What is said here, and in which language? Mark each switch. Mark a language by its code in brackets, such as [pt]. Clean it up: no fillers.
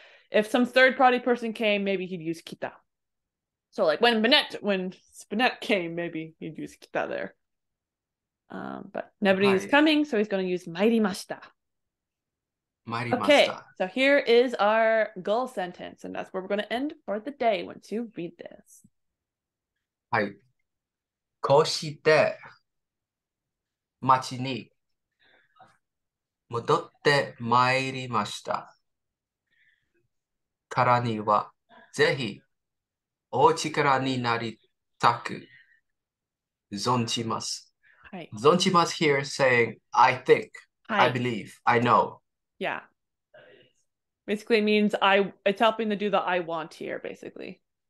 [en] If some third party person came, maybe he'd use kita. So like when Spinette came, maybe he'd use kita there. But nobody is coming, so he's going to use Marimashita. Marimashita. Okay, so here is our goal sentence. And that's where we're going to end for the day once you read this. [ja] はい。こうして町に戻ってまいりました。からにはぜひお力になりたく存じます。はい。 [en] 存じます here saying I think, I believe, I know. Yeah. Basically it means it's helping to do the I want here, basically.